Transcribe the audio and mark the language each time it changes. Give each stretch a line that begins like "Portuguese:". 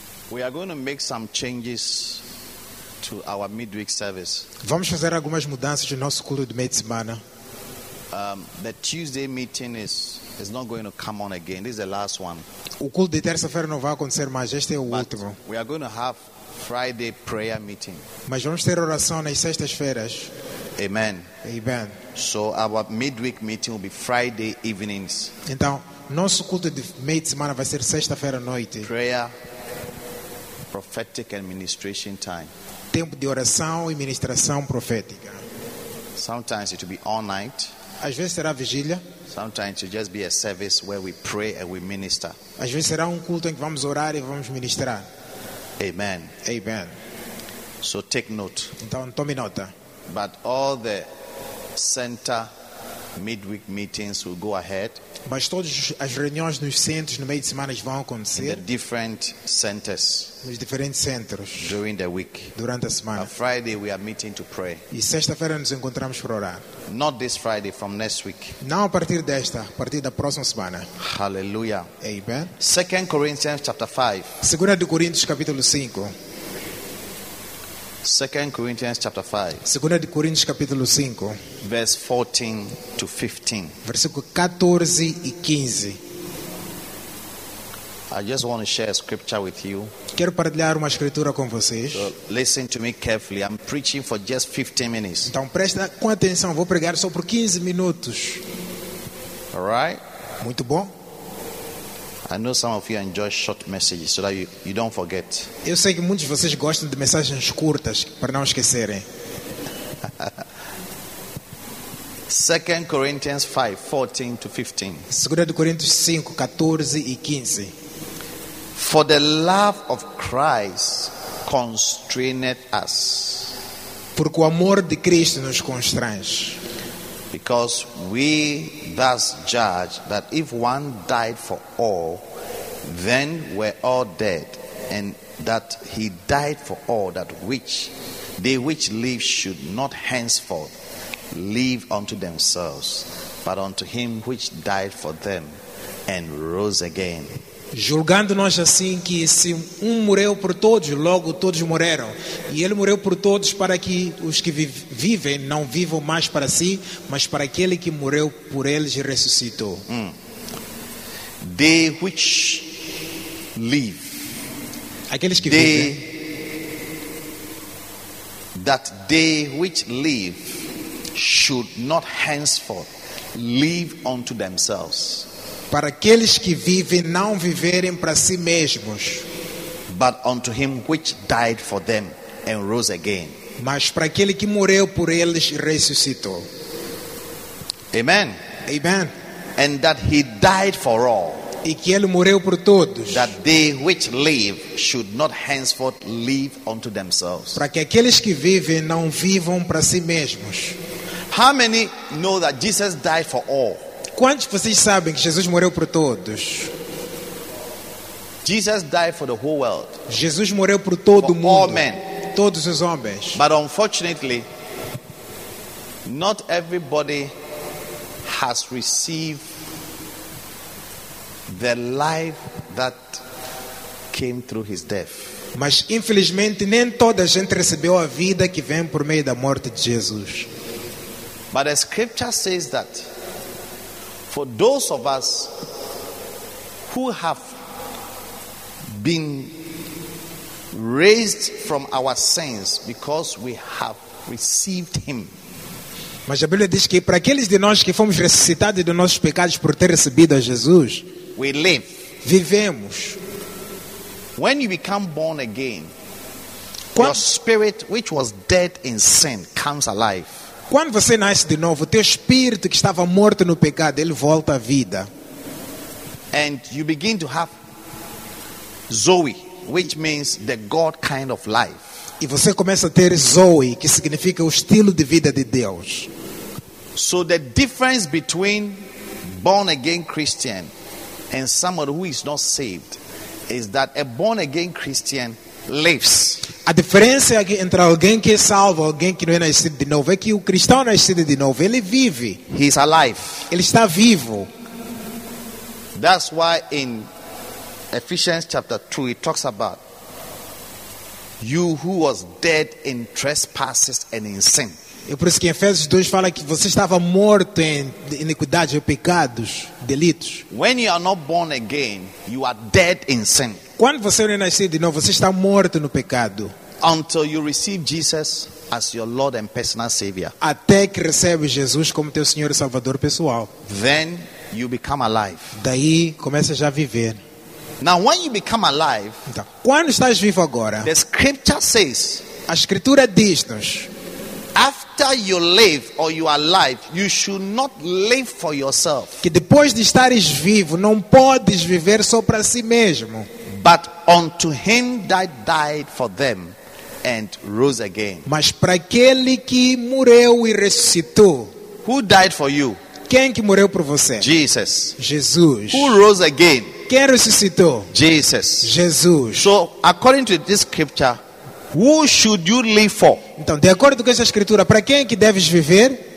English: We are going to make some changes to our midweek service.
Portuguese: Vamos fazer algumas mudanças no nosso culto de meia semana.
English: The Tuesday meeting is not going to come on again. This is the last one.
Portuguese: O culto de terça-feira não vai acontecer mais. Este é o último.
English: We are going to have Friday prayer meeting.
Portuguese: Mas vamos ter oração nas sextas-feiras.
English: Amen.
Portuguese: Amen.
English: So our midweek meeting will be Friday evenings.
Portuguese: Então, nosso culto de meia de semana vai ser sexta-feira à noite.
English: Prayer, prophetic administration time.
Portuguese: Tempo de oração e ministração profética.
English: Sometimes it will be all night.
Portuguese: Às vezes será vigília.
English: Sometimes it will just be a service where we pray and we minister.
Portuguese: Às vezes será culto em que vamos orar e vamos ministrar.
English: Amen.
Portuguese: Amen.
English: So take note.
Portuguese: Então tome nota.
English: But all the center midweek meetings will go ahead.
Portuguese: Mas todas as reuniões nos centros no meio de semana vão acontecer.
English: In the different centers.
Portuguese: Nos diferentes centros.
English: During the week.
Portuguese: Durante a semana.
English: On Friday we are meeting to pray.
Portuguese: E sexta-feira nos encontramos para orar.
English: Not this Friday, from next week.
Portuguese: Não a partir desta, a partir da próxima semana.
English: Hallelujah.
Portuguese: Amen.
English: 2 Corinthians chapter 5.
Portuguese: Segunda de Coríntios capítulo 5.
English: 2 Corinthians chapter 5.
Portuguese: Segunda de Coríntios capítulo 5.
English: Verse 14 to 15.
Portuguese: Versículo 14 e 15.
English: I just want to share a scripture with you.
Portuguese: Quero partilhar uma escritura com vocês.
English: So listen to me carefully. I'm preaching for just 15 minutes.
Portuguese: Então presta com atenção, vou pregar só por 15 minutos.
English: All right?
Portuguese: Muito bom.
English: I know some of you enjoy short messages so that you don't forget.
Portuguese: Eu sei que muitos de vocês gostam de mensagens curtas para não esquecerem.
English: 2 Corinthians 5, 14 to 15.
Portuguese: 2 Coríntios 5, 14 e 15.
English: For the love of Christ constraineth us.
Portuguese: Porque o amor de Cristo nos constrange.
English: Because we thus judge that if one died for all, then we're all dead, and that he died for all, that which they which live should not henceforth live unto themselves, but unto him which died for them and rose again.
Portuguese: Julgando nós assim que se um morreu por todos, logo todos morreram. E ele morreu por todos para que os que vivem não vivam mais para si, mas para aquele que morreu por eles e ressuscitou.
English: They which live.
Portuguese: Aqueles que
English: they,
Portuguese: vivem.
English: That they which live should not henceforth live unto themselves.
Portuguese: Para aqueles que vivem não viverem para si mesmos,
English: but unto him which died for them and rose again.
Portuguese: Mas para aquele que morreu por eles e ressuscitou.
English: Amen.
Portuguese: Amen.
English: And that he died for all.
Portuguese: E que ele morreu por todos.
English: That they which live should not henceforth live unto themselves.
Portuguese: Para que aqueles que vivem não vivam para si mesmos.
English: How many know that Jesus died for all?
Portuguese: Quantos de vocês sabem que Jesus morreu por todos?
English: Jesus died for the whole world.
Portuguese: Jesus morreu por todo
English: for
Portuguese: o mundo.
English: All men.
Portuguese: Todos os homens.
English: But unfortunately, not everybody has received the life that came through his death.
Portuguese: Mas infelizmente nem toda a gente recebeu a vida que vem por meio da morte de Jesus.
English: But the scripture says that for those of us who have been raised from our sins because we have received him.
Portuguese: Mas a Bíblia diz que para aqueles de nós que fomos ressuscitados dos nossos pecados por ter recebido a Jesus,
English: we live.
Portuguese: Vivemos.
English: When you become born again,
Portuguese: quando,
English: your spirit which was dead in sin comes alive.
Portuguese: Quando você nasce de novo, o teu espírito que estava morto no pecado, ele volta à vida.
English: And you begin to have Zoe, which means the God kind of life.
Portuguese: E você começa a ter Zoe, que significa o estilo de vida de Deus.
English: So the difference between born again Christian and someone who is not saved is that a born again Christian lives.
Portuguese: A diferença entre alguém que é salvo e alguém que não é nascido de novo é que o cristão nascido de novo, ele vive.
English: He is alive.
Portuguese: Ele está vivo.
English: That's why in Ephesians chapter 2 it talks about you who was dead in trespasses and in sin.
Portuguese: É por isso que em Efésios 2 fala que você estava morto em iniquidade, em pecados, delitos.
English: When you are not born again, you are dead in sin.
Portuguese: Quando você não é nascido de novo, você está morto no pecado.
English: Until you receive Jesus as your Lord and personal Savior.
Portuguese: Até que recebe Jesus como teu Senhor e Salvador pessoal.
English: Then you become alive.
Portuguese: Daí começa já a viver.
English: Now when you become alive,
Portuguese: então, quando estás vivo agora,
English: the scripture says,
Portuguese: a escritura diz-nos,
English: after you live or you are alive, you should not live for yourself.
Portuguese: Que depois de estares vivo, não podes viver só para si mesmo.
English: But unto him that died for them and rose again.
Portuguese: Mas para aquele que morreu e ressuscitou.
English: Who died for you?
Portuguese: Quem que morreu por você?
English: Jesus.
Portuguese: Jesus.
English: Who rose again?
Portuguese: Quem ressuscitou?
English: Jesus.
Portuguese: Jesus.
English: So, according to this scripture, who should you live for?
Portuguese: Então, de acordo com essa escritura, para quem que deves viver?